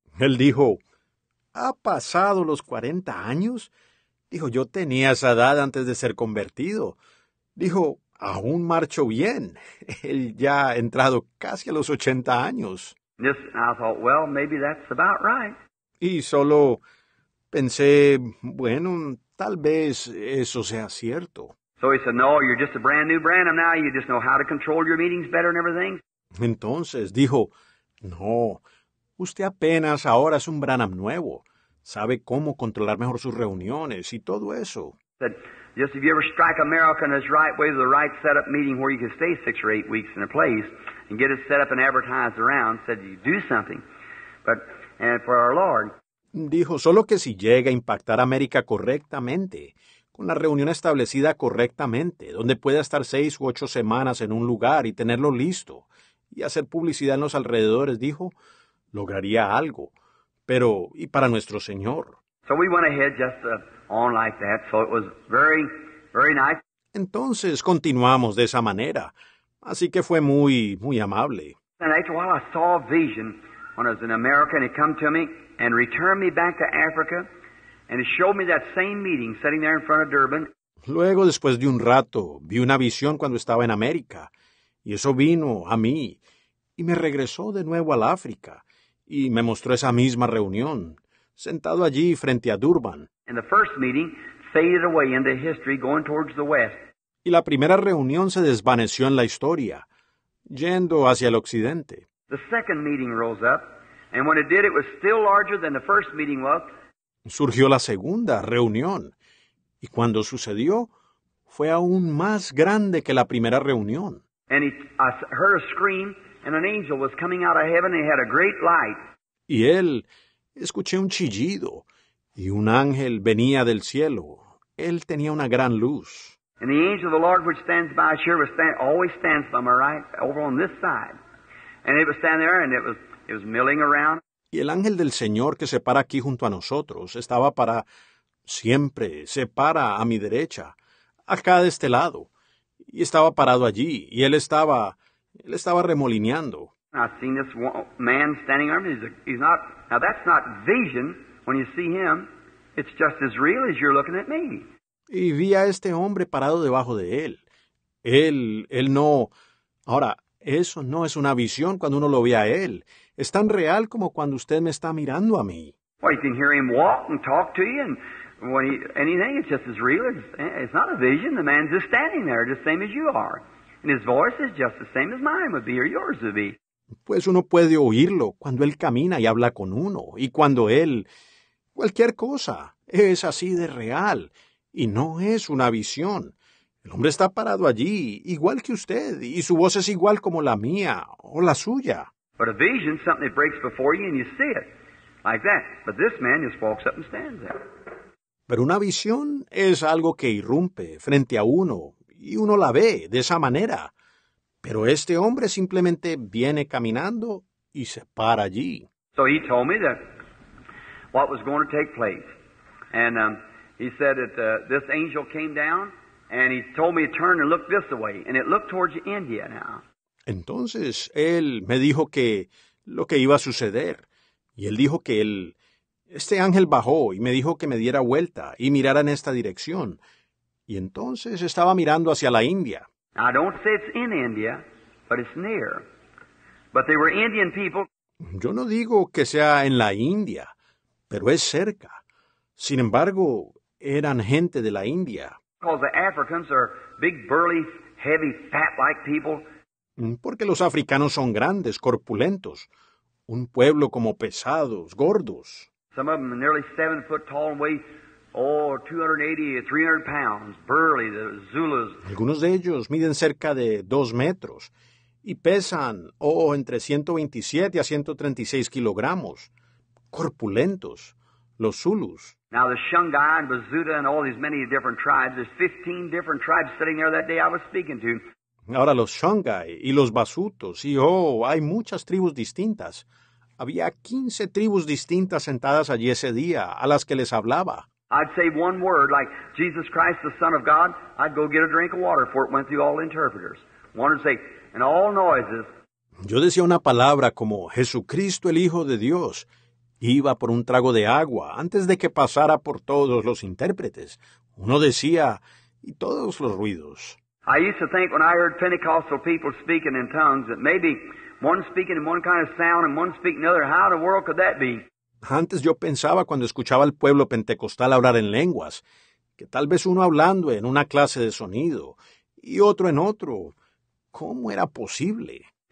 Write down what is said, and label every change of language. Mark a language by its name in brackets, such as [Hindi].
[Spanish] Él dijo, ¿ha pasado los 40 años? Dijo, yo tenía esa edad antes de ser convertido. Dijo, aún marcho bien. Él ya ha entrado casi a los 80 años. [English] This, I thought, well, maybe that's about right. [Spanish] Y solo pensé, bueno, tal vez eso sea cierto. [English] So he said, no, you're just a brand new Branham now. You just know how to control your meetings better and everything. [Spanish] Entonces dijo, no, usted apenas ahora es un Branham nuevo. Sabe cómo controlar mejor sus reuniones y todo eso. [English] Said, just if you ever strike America in this right way, the right setup meeting where you can stay 6 or 8 weeks in a place and get it set up and advertised around, said you do something. But, and for our Lord. [Spanish] Dijo, solo que si llega a impactar América correctamente, con la reunión establecida correctamente, donde pueda estar 6 u 8 semanas en un lugar y tenerlo listo, y hacer publicidad en los alrededores, dijo, lograría algo. Pero, ¿y para nuestro Señor? [English] So we went ahead just on like that, so it was very, very nice. [Spanish] Entonces, continuamos de esa manera. Así que fue muy, muy amable. [English] And after a while, I saw a vision when I was in America, and it come to me and returned me back to Africa, and it showed me that same meeting sitting there in front of Durban. [Spanish] Luego, después de un rato, vi una visión cuando estaba en América, y eso vino a mí, y me regresó de nuevo al África, y me mostró esa misma reunión, sentado allí frente a Durban. [English] And the first meeting faded away into history, going towards the west. [Spanish] Y la primera reunión se desvaneció en la historia, yendo hacia el occidente. [English] The second meeting rose up, and when it did, it was still larger than the first meeting was. [Spanish] Surgió la segunda reunión, y cuando sucedió, fue aún más grande que la primera reunión. [English] And I heard a scream, and an angel was coming out of heaven, and he had a great light. [Spanish] Y él, escuché un chillido, y un ángel venía del cielo. Él tenía una gran luz. [English] And the angel of the Lord which stands by us here always stands by my right, over on this side. And it was standing there, and it was milling around. [Spanish] Y el ángel del Señor que se para aquí junto a nosotros estaba para siempre, se para a mi derecha, acá de este lado. Y estaba parado allí, y él estaba remolineando. [English] I've seen this man standing there, he's not, now that's not vision. When you see him, it's just as real as you're looking at me. [Spanish] Y vi a este hombre parado debajo de él. Él no. Ahora, eso no es una visión cuando uno lo ve a él. Es tan real como cuando usted me está mirando a mí. [English] Well, you can hear him walk and talk to you, and when he, anything, it's just as real as, it's not a vision. The man's just standing there, just the same as you are. And his voice is just the same as mine would be, or yours would be. [Spanish] Pues uno puede oírlo cuando él camina y habla con uno, y cuando él, cualquier cosa, es así de real, y no es una visión. El hombre está parado allí, igual que usted, y su voz es igual como la mía, o la suya. [English] But a vision is something that breaks before you and you see it, like that. But this man just walks up and stands there. [Spanish] Pero una visión es algo que irrumpe frente a uno, y uno la ve de esa manera. Pero este hombre simplemente viene caminando y se para allí. [English] So he told me that what was going to take place. And he said that this angel came down and he told me to turn and look this way. And it looked towards India now. [Spanish] Entonces, él me dijo que lo que iba a suceder. Y él dijo que él, este ángel bajó y me dijo que me diera vuelta y mirara en esta dirección. Y entonces estaba mirando hacia la India. [English] I don't say it's in India, but it's near. But they were Indian people. [Spanish] Yo no digo que sea en la India, pero es cerca. Sin embargo, eran gente de la India. [English] Because the Africans are big, burly, heavy, fat-like people. [Spanish] Porque los africanos son grandes, corpulentos. Un pueblo como pesados, gordos. [English] Some of them are nearly 7 foot tall and weigh 280 or 300 pounds, burly, the Zulus. [Spanish] Algunos de ellos miden cerca de 2 metros y pesan, entre 127 a 136 kilogramos. Corpulentos, los Zulus. [English] Now the Shungai and Bazuta and all these many different tribes, there's 15 different tribes sitting there that day I was speaking to. [Spanish] Ahora los Shungai y los Basutos, y hay muchas tribus distintas. Había 15 tribus distintas sentadas allí ese día a las que les hablaba. [English] I'd say one word, like Jesus Christ, the Son of God, I'd go get a drink of water before it went through all the interpreters. One would say, and all noises. [Spanish] Yo decía una palabra como Jesucristo, el Hijo de Dios, iba por un trago de agua antes de que pasara por todos los intérpretes. Uno decía, y todos los ruidos. [English] I used to think when I heard Pentecostal people speaking in tongues that maybe one speaking in one kind of sound and one speaking another, how in the world could that be? [Spanish] Antes yo pensaba cuando escuchaba al pueblo pentecostal hablar en lenguas, que tal vez uno hablando en una clase de sonido y otro en otro. ¿Cómo era posible?